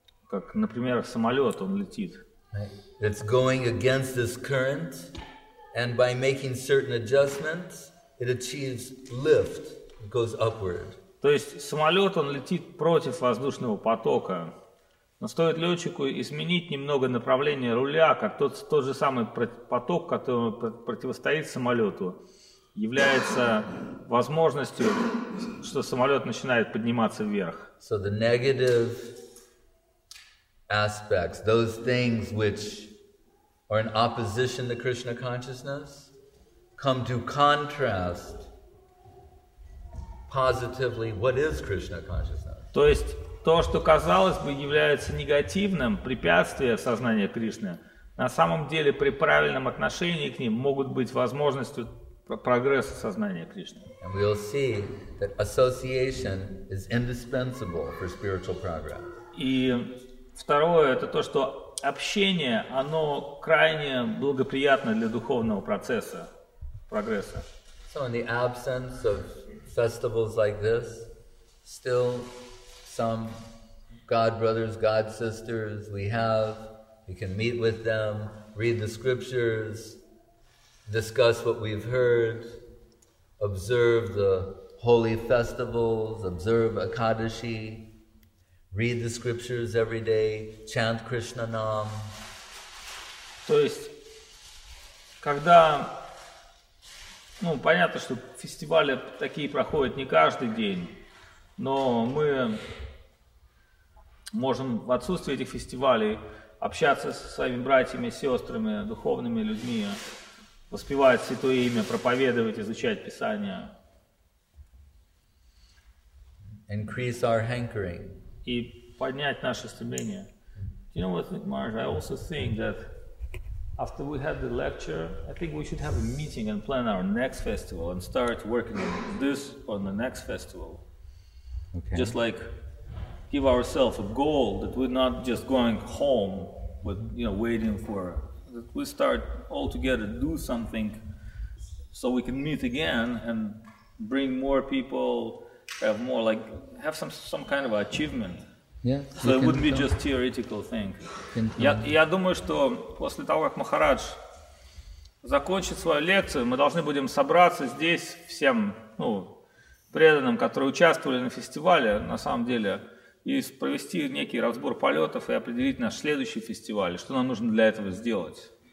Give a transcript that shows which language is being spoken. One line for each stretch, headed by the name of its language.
Russian: Как, например, самолет, он летит.
English: It's going against this current, and by making certain adjustments, it achieves lift, it goes upward.
Russian: То есть самолет, он летит против воздушного потока. Но стоит летчику изменить немного направление руля, как тот же самый поток, который противостоит самолету, является возможностью, что самолет начинает подниматься вверх.
English: So the negative aspects, those things which are in opposition to Krishna consciousness, come to contrast positively what is Krishna consciousness.
Russian: То есть то, что казалось бы является негативным препятствием сознания Кришны, на самом деле при правильном отношении к ним могут быть возможностью прогресса сознания Кришны.
English: And we'll see that association is indispensable for spiritual progress.
Russian: И второе, это то, что общение, оно крайне благоприятно для духовного процесса, прогресса.
English: So in the absence of festivals like this, still some God brothers, God sisters we have, we can meet with them, read the scriptures, discuss what we've heard, observe the holy festivals, observe Akadashi, read the scriptures every day, chant Krishna Nam.
Russian: То есть, когда, ну, понятно, что фестивали такие проходят не каждый день, но мы можем в отсутствие этих фестивалей общаться со своими братьями, сестрами, духовными людьми, воспевать святое имя, проповедовать, изучать Писание.
English: Increase our hankering.
Russian: И поднять наше стремление.
English: You know what, Marge? I also think that after we had the lecture, I think we should have a meeting and plan our next festival and start working on this on the next festival. Okay. Just like give ourselves a goal that we're not just going home with, you know, waiting for. That we start all together do something so we can meet again and bring more people, have more, like, have some kind of achievement. Yeah, so it wouldn't be just theoretical thing.
Russian: Я думаю, что после того, как Махарадж закончит свою лекцию, мы должны будем собраться здесь всем, ну, преданным, которые участвовали на фестивале, на самом деле, и провести некий разбор полетов и определить наш следующий фестиваль, что нам нужно для этого сделать.